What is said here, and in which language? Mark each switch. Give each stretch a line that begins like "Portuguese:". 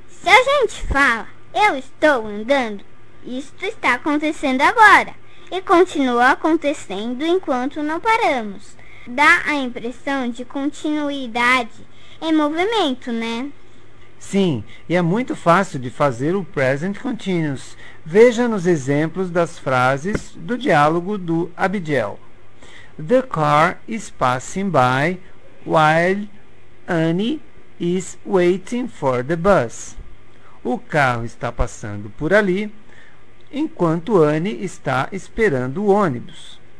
Portuguese: Se a gente fala, eu estou andando, isto está acontecendo agora. E continua acontecendo enquanto não paramos. Dá a impressão de continuidade em movimento, né? Sim, e é muito fácil de fazer o present continuous. Veja nos exemplos das frases do diálogo do Abigail.
English: The car is passing by while Annie is waiting for the bus.
Portuguese: O carro está passando por ali enquanto Annie está esperando o ônibus.